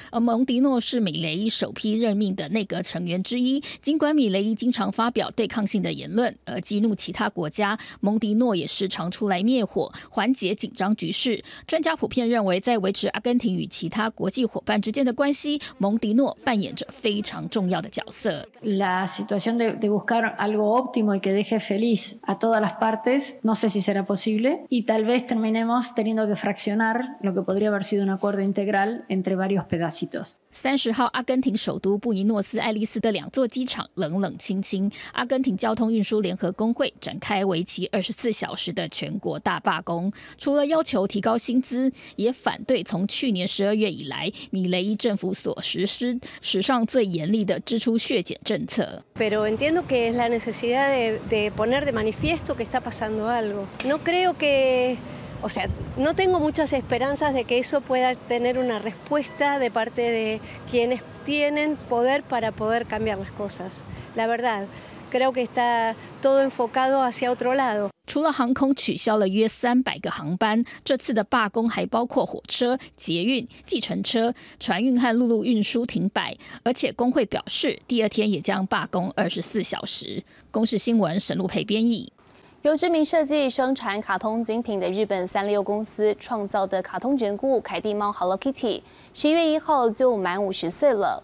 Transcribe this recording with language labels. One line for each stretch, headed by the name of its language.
Chinese: 而蒙迪诺是米雷伊首批任命的内阁成员之一。尽管米雷伊经常发表对抗性的言论，而激怒其他国家，蒙迪诺也时常出来灭火，缓解紧张局势。专家普遍认为，在维持阿根廷与其他国际伙伴之间的关系，蒙迪诺扮演着非常重要的角色。
Spanish: La situación de buscar algo óptimo y que deje feliz. A todas las partes, no sé si será posible, y tal vez terminemos teniendo que fraccionar lo que podría haber sido un acuerdo integral entre varios pedacitos.
Chinese: 30号，阿根廷首都布宜诺斯艾利斯的2座机场冷冷清清。阿根廷交通运输联合工会展开为期24小时的全国大罢工，除了要求提高薪资，也反对从去年12月以来米雷伊政府所实施史上最严厉的支出削减政策。
Spanish: Pero entiendo que es la necesidad de poner de manifiesto que está pasando algo. No creo que. O sea, no tengo muchas esperanzas de que eso pueda tener una respuesta de parte de quienes tienen poder para poder cambiar las cosas. La verdad, creo que está todo enfocado hacia otro lado.
Chinese: 除了航空取消了约300个航班，这次的罢工还包括火车、捷运、计程车、船运和陆路运输停摆。而且工会表示，第二天也将罢工24小时。公视新闻沈露佩编译。由知名设计生产卡通精品的日本三丽鸥公司创造的卡通人物凯蒂猫 Hello Kitty 11月1号就满50岁了。